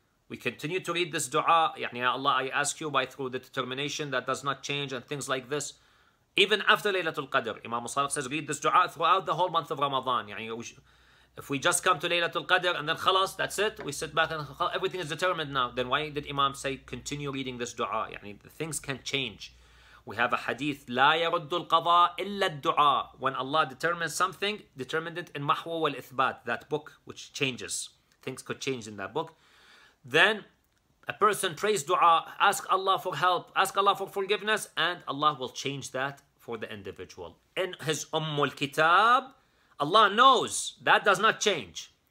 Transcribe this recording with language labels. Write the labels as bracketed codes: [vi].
[en] We continue to read this du'a. يعني, ya Allah, I ask you by through the determination that does not change and things like this. Even after Laylatul Qadr, Imam al-Sadiq says, read this du'a throughout the whole month of Ramadan. يعني, if we just come to Laylatul Qadr and then khalas, that's it. We sit back and everything is determined now. Then why did Imam say, continue reading this dua? يعني, the things can change. We have a hadith, [ar] لا يرد القضاء إلا الدعاء. [en] When Allah determines something, determined it in Mahwa wal-Ithbat, that book which changes. Things could change in that book. Then a person prays dua, ask Allah for help, ask Allah for forgiveness, and Allah will change that for the individual. In his Ummul Kitab, Allah knows that does not change.